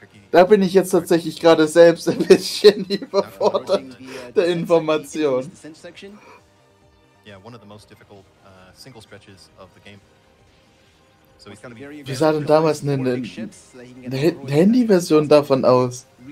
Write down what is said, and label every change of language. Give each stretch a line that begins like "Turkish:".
German: Da bin ich jetzt tatsächlich gerade selbst ein bisschen überfordert der Information.
English: Ja, one of the most difficult single stretches of the game.
German: Wie sah denn damals eine Handy-Version davon aus?